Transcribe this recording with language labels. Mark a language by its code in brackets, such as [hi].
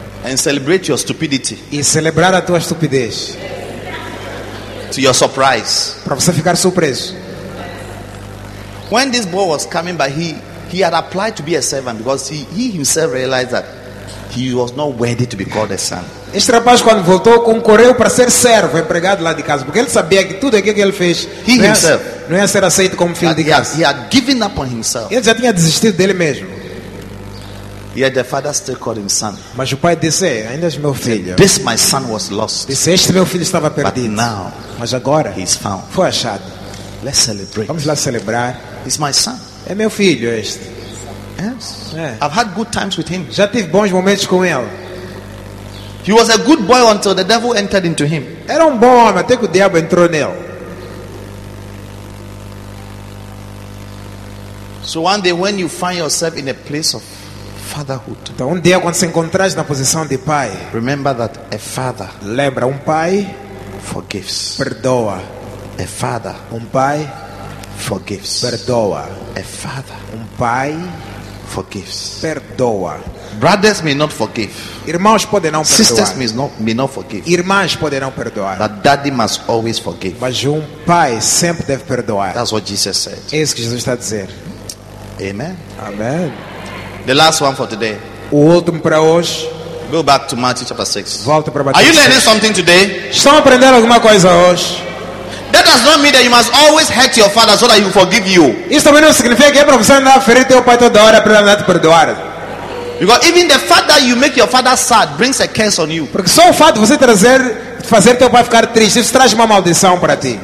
[en] And celebrate your stupidity. [pt] E celebrar a tua estupidez. [en] To your surprise. [pt] Para você ficar surpreso. [en] When this boy was coming by, he had applied to be a servant because he himself realized that he was not worthy to be called a son. [pt] Este rapaz quando voltou concorreu para ser servo, empregado lá de casa, porque ele sabia que tudo aquilo que ele fez não ia ser aceito como filho de casa. [en] He had given up on himself. [pt] Ele já tinha desistido dele mesmo. [en] Yet the father still called him son. [pt] Mas o pai disse, ainda é meu filho. [en] This my son was lost. [pt] Disse, este meu filho estava perdido. [en] But now, [pt] mas agora, [en] he's found. [pt] Foi achado. [en] Let's celebrate. [pt] Vamos lá celebrar. [en] He's my son. [pt] É meu filho este. [en] Yes. [pt] É. [en] I've had good times with him. [pt] Já tive bons momentos com ele. [en] He was a good boy until the devil entered into him. [pt] Era bom homem até que o diabo entrou nele. [en] So one day when you find yourself in a place of fatherhood. [pt] Então dia quando se encontrares na posição de pai. [en] Remember that a father. [pt] Lembra pai [en] forgives. [pt] Perdoa. [en] A father. [pt] Pai [en] forgives. [pt] Perdoa. [en] A father. [pt] Pai [en] forgives. [pt] Perdoa. [en] Brothers may not forgive. [pt] Irmãos podem não perdoar. [en] Sisters may not forgive. [pt] Irmãs podem não perdoar. [en] But daddy must always forgive. [pt] Mas pai sempre deve perdoar. [en] That's what Jesus said. [pt] É isso que Jesus está a dizer. [en] Amen. [pt] Amen. [en] The last one for today. [pt] O último para hoje. [en] Go back to Matthew chapter 6. [pt] Volta para Mateus. [en] Are you learning something today? [pt] Estão aprendendo alguma coisa hoje? [en] That does not mean that you must always hurt your father so that he will forgive you. [pt] Isso também não significa que é para você andar a ferir teu pai toda hora para ele te perdoar. [en] Because even the fact that you make your father sad brings a curse on you. [pt] Porque só o fato de você fazer teu pai ficar triste, isso traz uma maldição para ti.